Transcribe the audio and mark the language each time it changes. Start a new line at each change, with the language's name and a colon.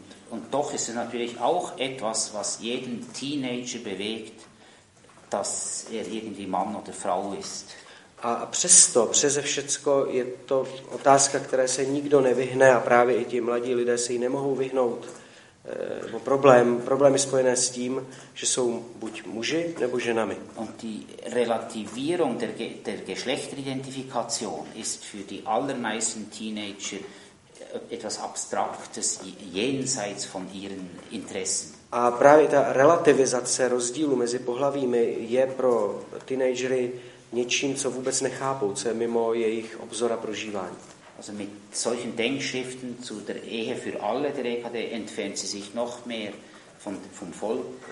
German: Und doch ist es natürlich auch etwas, was jeden Teenager bewegt, dass er irgendwie Mann oder Frau ist.
Czech: A přesto, přeze všecko, je to otázka, které se nikdo nevyhne a právě i ti mladí lidé se jí nemohou vyhnout. Problémy spojené s tím, že jsou buď muži nebo ženami.
German: Und die Relativierung der Geschlechteridentifikation ist für die allermeisten Teenager etwas Abstraktes jenseits von ihren Interessen.
Czech: A právě ta relativizace rozdílu mezi pohlavími je pro teenagery něčím, co vůbec nechápou, co je mimo jejich obzora prožívání.
German: Also mit solchen Denkschriften zu der Ehe für alle der EKD entfernt sie sich noch mehr vom Volk.